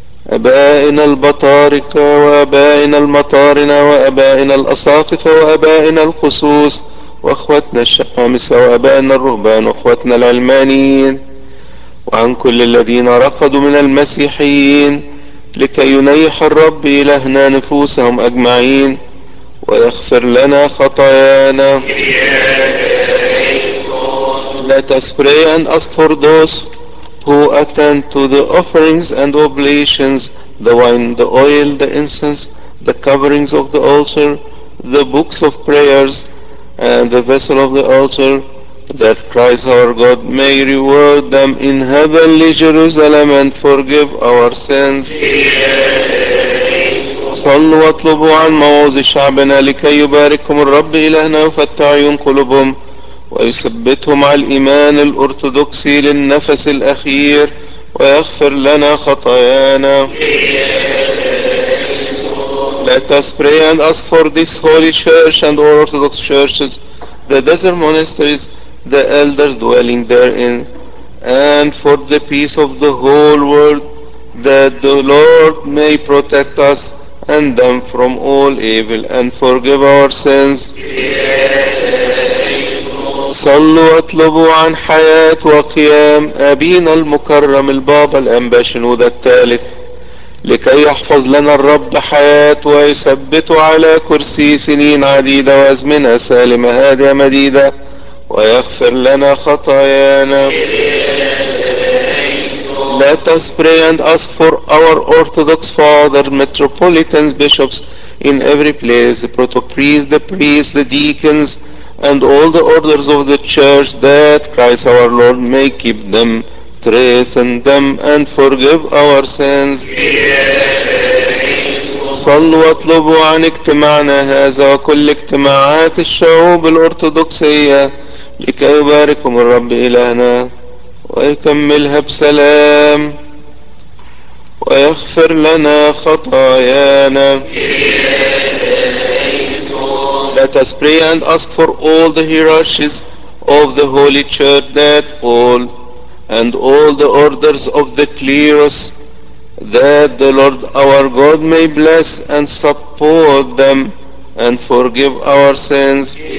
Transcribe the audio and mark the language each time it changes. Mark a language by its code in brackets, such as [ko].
[ar] أبائنا البطاركة وأبائنا المطارنة وأبائنا الأساقفة وأبائنا القصوص وأخواتنا الشمامسة وأبائنا الرهبان وأخواتنا العلمانيين وعن كل الذين رقدوا من المسيحيين لكي ينيح الرب إلهنا نفوسهم أجمعين ويغفر لنا خطايانا. [en] Let us pray and ask for those who attend to the offerings and oblations, the wine, the oil, the incense, the coverings of the altar, the books of prayers, and the vessel of the altar, that Christ our God may reward them in heavenly Jerusalem and forgive our sins. [ar] صلوا واطلبوا عن موعظي شعبنا لكي يبارككم الرب إلهنا ويفتح عيون قلوبهم ويثبتهم على الإيمان الأرثوذكسي للنفس الأخير ويغفر لنا خطايانا. [en] Let us pray and ask for this holy church and all orthodox churches, the desert monasteries, the elders dwelling therein, and for the peace of the whole world, that the Lord may protect us and them from all evil and forgive our sins. [ar] صلوا واطلبوا عن حياة وقيام أبينا المكرم البابا الأنبا شنودة الثالث لكي يحفظ لنا الرب حياة ويثبت على كرسي سنين عديدة وأزمنة سالمة هادية مديدة ويغفر لنا خطايانا. [en] Let us pray and ask for our Orthodox Father, Metropolitans, Bishops in every place, the Protopriests, the Priests, the Deacons, and all the orders of the church, that Christ our Lord may keep them, strengthen them, and forgive our sins. [ar] صلوا واطلبوا عن اجتماعنا هذا وكل اجتماعات الشعوب الأرثوذكسية لكي يبارككم الرب إلهنا ويكملها بسلام ويغفر لنا خطايانا. [en] Let us pray and ask for all the hierarchies of the Holy Church, that all and all the orders of the clerus, that the Lord our God may bless and support them and forgive our sins.